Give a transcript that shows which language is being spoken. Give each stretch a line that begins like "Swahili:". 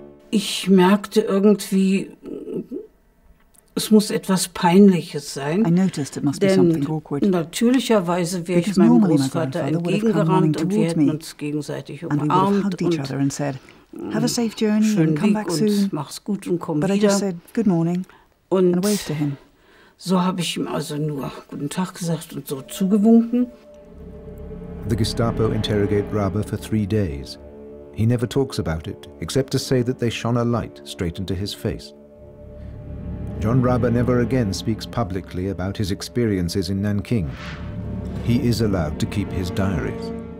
German: Ich merkte irgendwie, es muss etwas Peinliches sein.
English: I noticed it must be something awkward.
German: Natürlicherweise wäre ich meinem Großvater entgegengerannt und wir hätten uns gegenseitig umarmt
English: und have a safe journey and come back soon.
German: Mach's gut und komm wieder.
English: But I just said good morning and waved to him.
German: So habe ich ihm also nur guten Tag gesagt und so zugewunken.
English: The Gestapo interrogate Rabe for 3 days. He never talks about it, except to say that they shone a light straight into his face. John Rabe never again speaks publicly about his experiences in Nanking. He is allowed to keep his diaries.